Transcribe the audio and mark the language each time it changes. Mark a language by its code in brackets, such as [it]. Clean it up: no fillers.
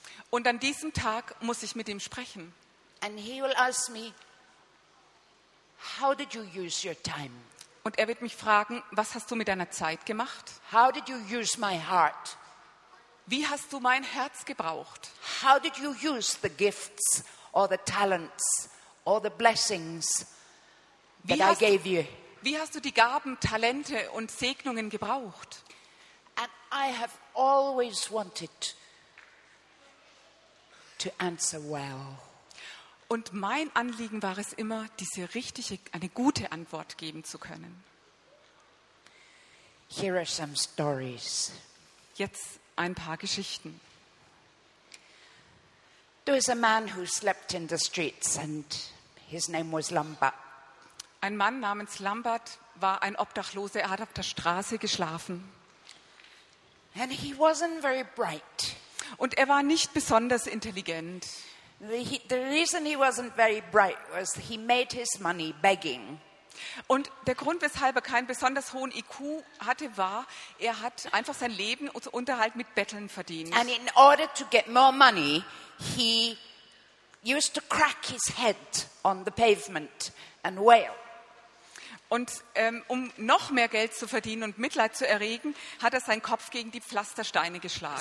[de] Und an diesem Tag muss ich mit ihm sprechen. [en] And he will ask me, how did you use your time? [de] Und er wird mich fragen, was hast du mit deiner Zeit gemacht? [en] How did you use my heart? [de] Wie hast du mein Herz gebraucht? [en] How did you use the gifts or the talents or the blessings that I gave you? [de] Wie hast du die Gaben, Talente und Segnungen gebraucht? [en] And I have always wanted to answer well. [de] Und mein Anliegen war es immer, diese richtige, eine gute Antwort geben zu können. [en] Here are some stories. [de] Jetzt ein paar Geschichten. [en] There was a man who slept in the streets and his name was Lambert. [de] Ein Mann namens Lambert war ein Obdachloser, er hat auf der Straße geschlafen. [en] And he wasn't very bright. [de] Und er war nicht besonders intelligent. [en] The reason he wasn't very bright was he made his money begging. [de] Und der Grund, weshalb er keinen besonders hohen IQ hatte, war, er hat einfach sein Leben und Unterhalt mit Betteln verdient. [en] And in order to get more money, he used to crack his head on the pavement and wail. [de] Und um noch mehr Geld zu verdienen und Mitleid zu erregen, hat er seinen Kopf gegen die Pflastersteine geschlagen.